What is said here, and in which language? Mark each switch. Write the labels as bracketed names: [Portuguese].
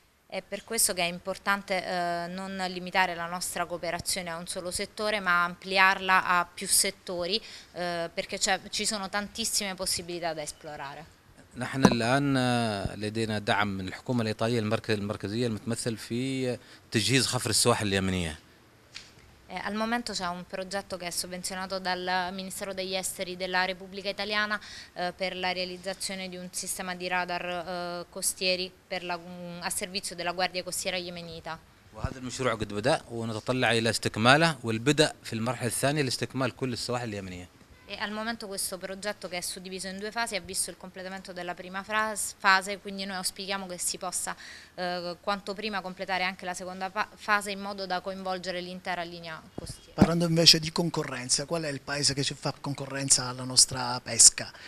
[Italian] È per questo che è importante non limitare la nostra cooperazione a un solo settore, ma ampliarla a più settori perché ci sono tantissime possibilità da esplorare. [Arabic] نحن الآن لدينا دعم من الحكومة الإيطالية المركزية المتمثل في تجهيز خفر السواحل اليمنية. [Italian] Al momento c'è un progetto che è sovvenzionato dal Ministero degli Esteri della Repubblica Italiana per la realizzazione di un sistema di radar costieri a servizio della Guardia Costiera Yemenita. [Arabic] وهذا المشروع قد بدأ ونتطلع إلى استكماله والبدء في المرحلة الثانية لاستكمال كل السواحل اليمنية. [Italian] E al momento questo progetto che è suddiviso in due fasi ha visto il completamento della prima fase, quindi noi auspichiamo che si possa quanto prima completare anche la seconda fase in modo da coinvolgere l'intera linea costiera. Parlando invece di concorrenza, qual è il paese che ci fa concorrenza alla nostra pesca?